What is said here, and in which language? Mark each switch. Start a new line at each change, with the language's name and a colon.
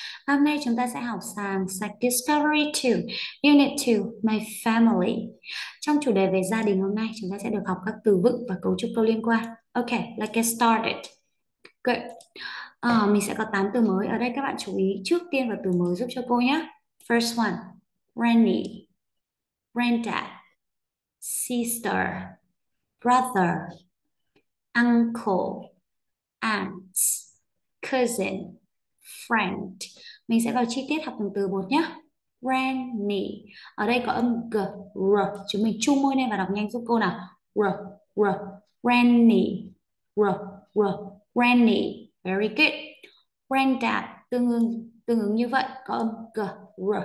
Vietnamese: Hôm nay chúng ta sẽ học sang sách Discovery 2, Unit 2, My Family. Trong chủ đề về gia đình hôm nay, chúng ta sẽ được học các từ vựng và cấu trúc câu liên quan.
English: Okay, let's get started. Good.
Vietnamese: Mình sẽ có 8 từ mới ở đây. Các bạn chú ý trước tiên vào từ mới giúp cho cô nhé.
English: First one, Granny, Granddad, Sister, Brother, uncle, aunt, cousin, friend.
Vietnamese: Mình sẽ vào chi tiết học từng từ một nhé. Granny. Ở đây có âm g, r. Chúng mình chung môi lên và đọc nhanh giúp cô nào.
English: R, r. Granny. R, r. Granny. Very good. Granddad.
Vietnamese: Tương ứng như vậy. Có âm g, r.